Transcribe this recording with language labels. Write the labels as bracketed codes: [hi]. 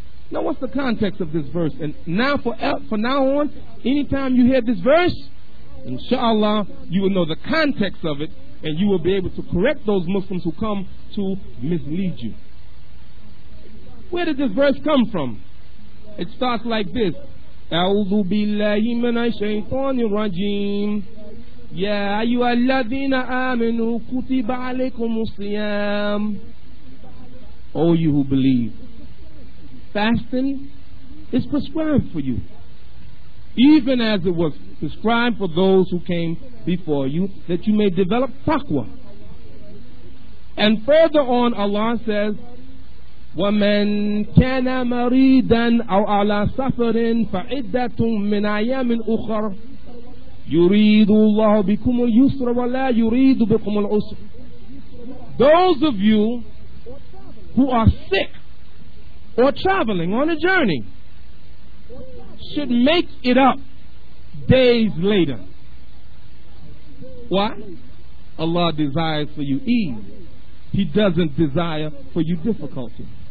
[en] Now what's the context of this verse? And now for now on, anytime you hear this verse, inshallah, you will know the context of it, and you will be able to correct those Muslims who come to mislead you. Where did this verse come from? It starts like this. [ar] أعوذ بالله من الشيطان الرجيم يا أيها الذين آمنوا كتب عليكم الصيام. [en] All you who believe, fasting is prescribed for you, even as it was prescribed for those who came before you, that you may develop taqwa. And further on, Allah says, [ar] وَمَنْ كَانَ مَرِيدًا أَوْ عَلَى سَفَرٍ فَعِدَّةٌ مِّنْ أَيَّامٍ أُخَرٍ يُرِيدُ اللَّهُ بِكُمُ الْيُسْرَ وَلَا يُرِيدُ بِكُمُ الْعُسْرَ. [en] Those of you who are sick or traveling on a journey should make it up days later. Why? Allah desires for you ease. He doesn't desire for you difficulty.